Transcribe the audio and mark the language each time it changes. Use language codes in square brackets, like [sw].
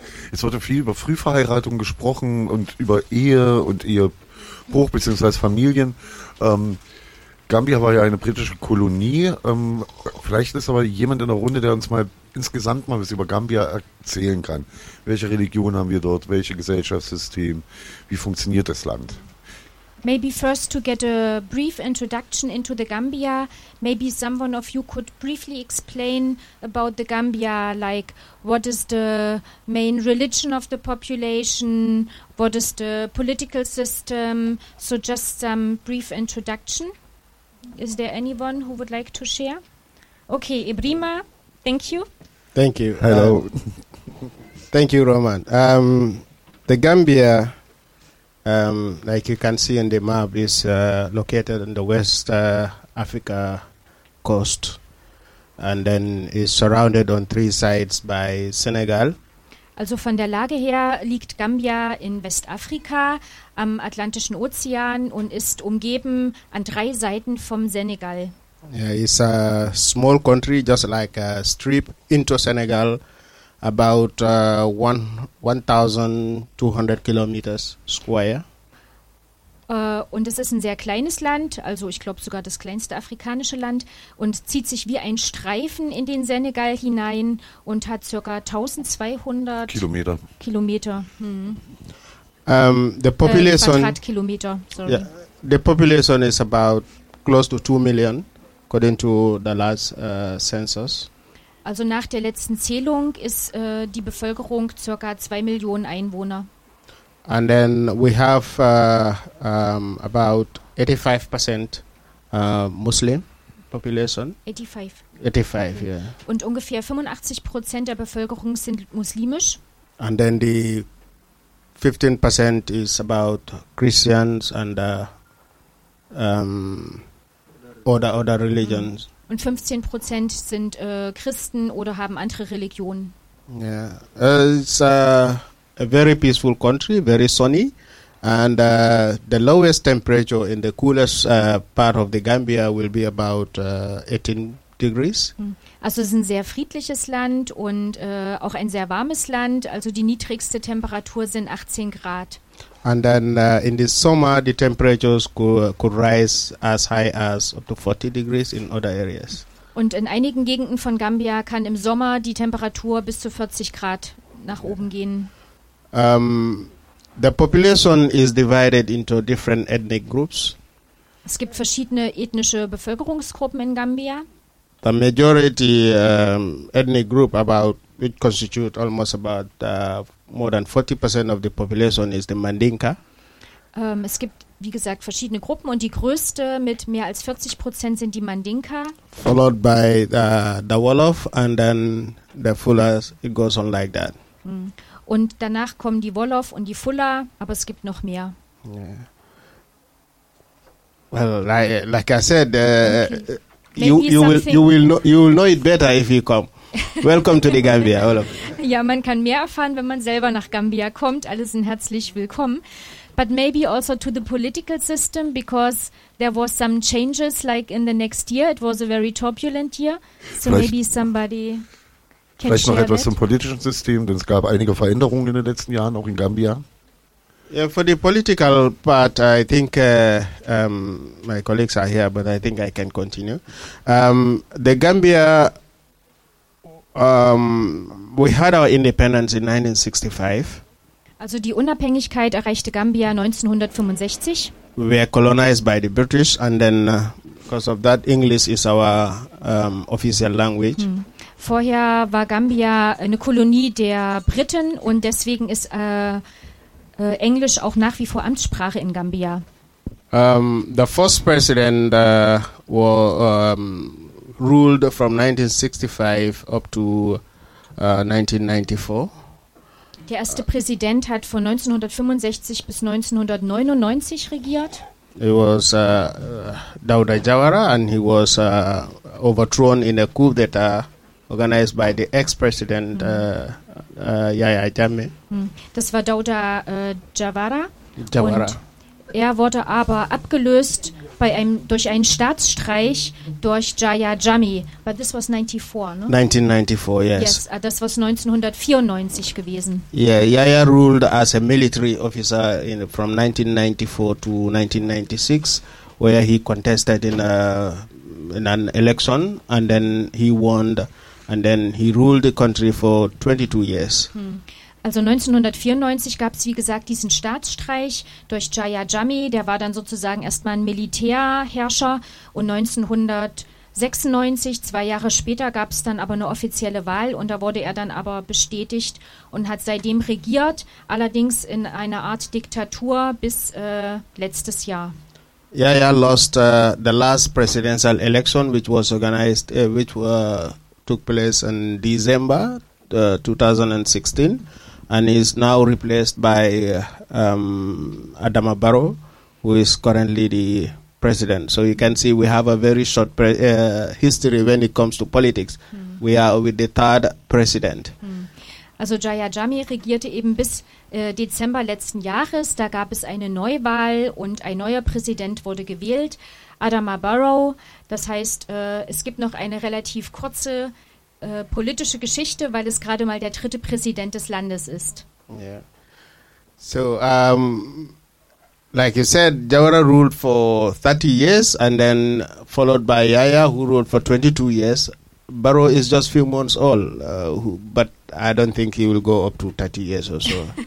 [de] Jetzt wurde viel über Frühverheiratung gesprochen und über Ehe und Ehebruch bzw. Familien. Gambia war ja eine britische Kolonie. Vielleicht ist aber jemand in der Runde, der uns mal insgesamt mal was über Gambia erzählen kann. Welche Religion haben wir dort? Welche Gesellschaftssystem? Wie funktioniert das Land? [en] Maybe first to get a brief introduction into the Gambia, maybe someone of you could briefly explain about the Gambia, like what is the main religion of the population, what is the political system, so just some brief introduction. Is there anyone who would like to share? Okay, Ibrima, thank you. Thank you. Hello. thank you, Roman. The Gambia, like you can see on the map, is located on the West Africa coast. And then is surrounded on three sides by Senegal. [de] Also von der Lage her liegt Gambia in Westafrika am Atlantischen Ozean und ist umgeben an drei Seiten vom Senegal. [en] Yeah, it's a small country, just like a strip into Senegal, about 1,200 kilometers square. [de] Und es ist ein sehr kleines Land, also ich glaube sogar das kleinste afrikanische Land, und zieht sich wie ein Streifen in den Senegal hinein und hat ca. 1200 Kilometer. [en] The population, [de] Quadratkilometer, [en] sorry. Yeah, the population is about close to 2 million, according to the last census. [de] Also nach der letzten Zählung ist die Bevölkerung ca. 2 Millionen Einwohner. [en] And then we have about 85% Muslim population. 85, yeah. [de] Und ungefähr 85% der Bevölkerung sind muslimisch. [en] And then the 15% is about Christians and other religions. [de] Und 15% sind Christen oder haben andere Religionen. [en] Yeah. A very peaceful country, very sunny, and the lowest temperature in the coolest part of the Gambia will be about 18 degrees. [de] Also es ist ein sehr friedliches Land und auch ein sehr warmes Land, also die niedrigste Temperatur sind 18 Grad. [en] And then in the summer the temperatures could rise as high as up to 40 degrees in other areas. [de] Und in einigen Gegenden von Gambia kann im Sommer die Temperatur bis zu 40 Grad nach oben gehen. [en] The population is divided into different ethnic groups. [de] Es gibt verschiedene ethnische Bevölkerungsgruppen in Gambia. [en] The majority ethnic group, about which constitute almost about more than 40% of the population, is the Mandinka. [de] Es gibt, wie gesagt, verschiedene Gruppen, und die größte mit mehr als 40% sind die Mandinka. [en] Followed by the Wolof, and then the Fulas. It goes on like that. Mm. [de] Und danach kommen die Wolof und die Fula, aber es gibt noch mehr. [en] Yeah. Well, like I said, you will know it better if you come. Welcome to the Gambia, Wolof. [de] Ja, man kann mehr erfahren, wenn man selber nach Gambia kommt. Alle sind herzlich willkommen. [en] But maybe also to the political system, because there was some changes like in the next year. It was a very turbulent year. So [de] vielleicht [en] maybe somebody... [de] Vielleicht noch etwas zum politischen System, denn es gab einige Veränderungen in den letzten Jahren, auch in Gambia. [en] Yeah, for the political part, I think my colleagues are here, but I think I can continue. The Gambia, we had our independence in 1965. [de] Also die Unabhängigkeit erreichte Gambia 1965. [en] we were colonized by the British, and then because of that, English is our official language. [de] Vorher war Gambia eine Kolonie der Briten, und deswegen ist Englisch auch nach wie vor Amtssprache in Gambia. [en] The first president ruled from 1965 up to 1994. [de] Der erste Präsident hat von 1965 bis 1999 regiert. [en] He was Dauda Jawara, and he was overthrown in a coup d'etat organized by the ex-president Yahya Jammeh. [de] Das war Dauda Jawara. Jawara. Er wurde aber abgelöst durch einen Staatsstreich durch Yahya Jammeh. [en] But this was 94, no? 1994, yes. [de] Das war 1994 gewesen. [en] Yeah, Yahya ruled as a military officer from 1994 to 1996, where he contested in an election, and then he won, and then he ruled the country for 22 years. [de] Also 1994 gab es, wie gesagt, diesen Staatsstreich durch Yahya Jammeh. Der war dann sozusagen erstmal ein Militärherrscher. Und 1996, zwei Jahre später, gab es dann aber eine offizielle Wahl. Und da wurde er dann aber bestätigt und hat seitdem regiert, allerdings in einer Art Diktatur bis letztes Jahr. [en] Yahya lost the last presidential election, which was organized, which took place in December 2016. And is now replaced by Adama Barrow, who is currently the president. So you can see we have a very short history when it comes to politics. We are with the third president. [de] Also Yahya Jammeh regierte eben bis Dezember letzten Jahres. Da gab es eine Neuwahl und ein neuer Präsident wurde gewählt, Adama Barrow. Das heißt, es gibt noch eine relativ kurze politische Geschichte, weil es gerade mal der dritte Präsident des Landes ist. [en] Yeah. So, like you said, Jawara ruled for 30 years and then followed by Yahya, who ruled for 22 years. Barrow is just few months old, but I don't think he will go up to 30 years or so.